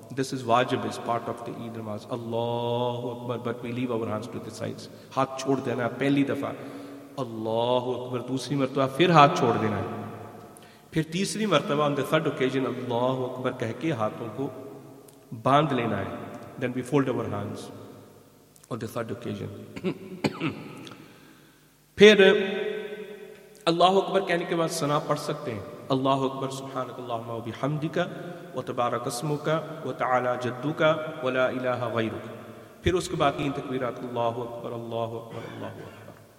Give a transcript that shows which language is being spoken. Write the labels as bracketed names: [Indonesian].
[English] This is wajib, is part of the Eid namaz, [Arabic] اللہ اکبر. [English] But we leave our hands to the sides, [Urdu] ہاتھ چھوڑ دینا پہلی دفعہ اللہ اکبر, دوسری مرتبہ پھر ہاتھ چھوڑ دینا, پھر تیسری مرتبہ [English] on the third occasion [Urdu] اللہ اکبر کہہ کے ہاتھوں کو باندھ لینا ہے. [English] Then we fold our hands on the third occasion. [Urdu] پھر [Arabic] اللہ اکبر کہنے کے بعد ثنا پڑھ سکتے ہیں, اللہ اکبر سبحانک اللہم و بحمدک و تبارک اسمک و تعالی جدک و لا الہ غیرک, [Urdu] پھر اس کے بعد تین تکبیرات, [Arabic] اللہ اکبر اللہ اکبر اللہ اکبر.